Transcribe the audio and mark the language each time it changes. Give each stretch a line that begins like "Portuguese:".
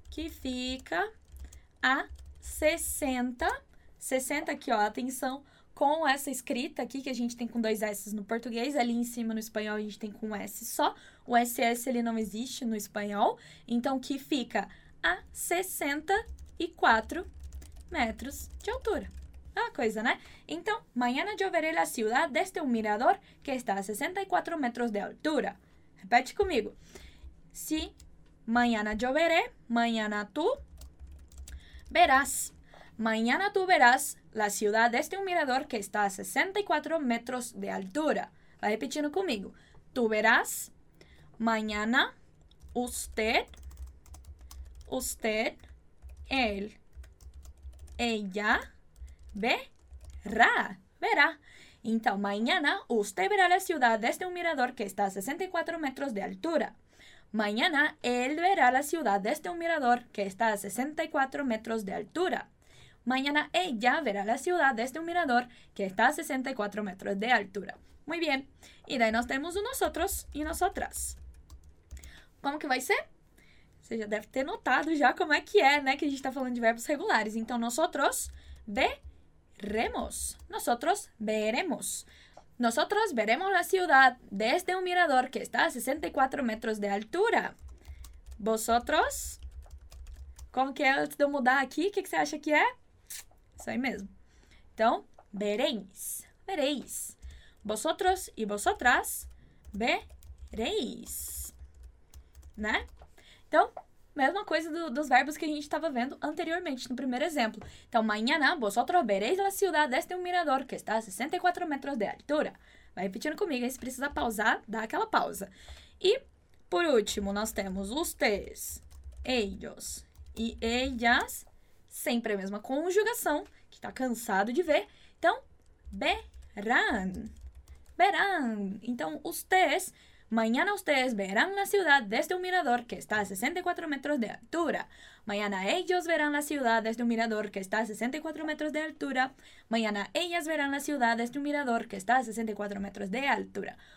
Portuguese: fica a 60, 60 aqui, ó, atenção, com essa escrita aqui que a gente tem com dois S no português, ali em cima no espanhol a gente tem com S só, o SS ele não existe no espanhol, então que fica a 64 metros de altura. Ah, coisa, né?
Spanish: Então, mañana yo veré la ciudad desde un mirador que está a 64 metros de altura.
Portuguese: Repete comigo.
Spanish: Si mañana yo veré, mañana tú verás. Mañana tú verás la ciudad desde un mirador que está a 64 metros de altura. Va repitiendo conmigo. Tú verás. Mañana usted, usted, él, ella, verá, verá. Então, mañana usted verá la ciudad desde un mirador que está a 64 metros de altura. Mañana él verá la ciudad desde un mirador que está a 64 metros de altura. Mañana ella verá la ciudad desde un mirador que está a 64 metros de altura. Muy bien. Y de ahí nos tenemos nosotros y nosotras. ¿Cómo que va a ser?
Portuguese: Você já deve ter notado já como é que é, né? Que a gente está falando de verbos regulares. Então,
Spanish: nosotros ve. Veremos. Nosotros veremos. Nosotros veremos la ciudad desde un mirador que está a 64 metros de altura. Vosotros.
Portuguese: Como que é antes de eu mudar aqui? O que você acha que é? Isso aí mesmo. Então, vereis.
Spanish: Vereis. Vosotros e vosotras veréis.
Portuguese: né? Então, mesma coisa dos verbos que a gente estava vendo anteriormente, no primeiro exemplo.
Spanish: Então, mañana vosotros veréis la ciudad desde un mirador que está a 64 metros de altura.
Portuguese: Vai repetindo comigo, aí você precisa pausar, dá aquela pausa. E, por último, nós temos
Spanish: ustedes, ellos
Portuguese: e ellas, sempre a mesma conjugação, que está cansado de ver.
Spanish: Então, verán, verán. Então, ustedes, mañana ustedes verán la ciudad desde un mirador que está a 64 metros de altura. Mañana ellos verán la ciudad desde un mirador que está a 64 metros de altura. Mañana ellas verán la ciudad desde un mirador que está a 64 metros de altura.